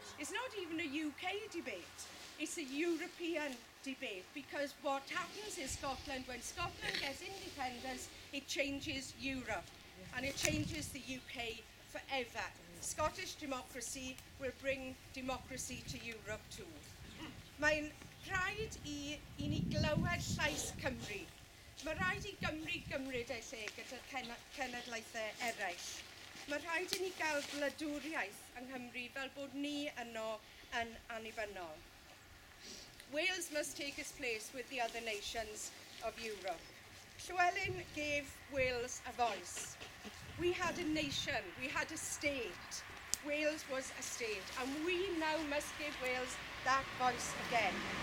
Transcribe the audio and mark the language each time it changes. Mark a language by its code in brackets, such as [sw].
[en] It's not even a UK debate. It's a European debate, because what happens in Scotland, when Scotland gets independence, it changes Europe and it changes the UK forever. Scottish democracy will bring democracy to Europe too. [cy] Mae'n rhaid I ni glywed llais Cymru. Mae rhaid I Gymru gymryd ei lle gyda'r cenedlaethau eraill. Mae rhaid I ni gael gwladwriaeth yng Nghymru fel bod ni yno yn annibynnol. [en] Wales must take its place with the other nations of Europe. Llywelyn gave Wales a voice. We had a nation, we had a state. Wales was a state, and we now must give Wales that voice again.